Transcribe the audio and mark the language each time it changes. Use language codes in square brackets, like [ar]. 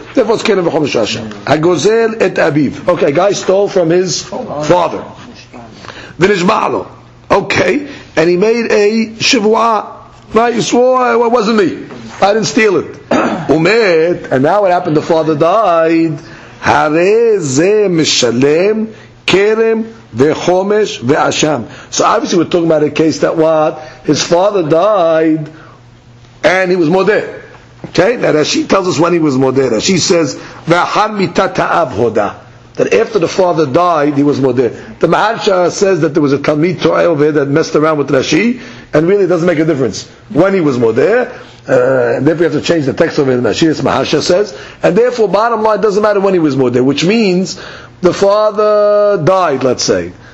[en] Therefore, it's Kerem veHomesh veHasham. [he] Hagozel et Abiv. [en] Okay, guy stole from his father. [he] Vinishma'alo. [en] Okay, and he made a Shivu'ah. Right, you swore it wasn't me. I didn't steal it. [he] Umet. [en] And now what happened? The father died. [he] הרי זה משלם קרם וחומש ואשם. [en] So obviously we're talking about a case that what? His father died and he was מודה. Okay? Now Rashi tells us when he was מודה. Rashi says, [he] ואחר מיתת האב הודה. [en] That after the father died, he was מודה. The Maharsha says that there was a Talmid Torah over here that messed around with Rashi, and really it doesn't make a difference when he was Modeh. And therefore, you have to change the text of it in Rashi, as Maharsha says. And therefore, bottom line, it doesn't matter when he was Modeh, which means the father died, let's say.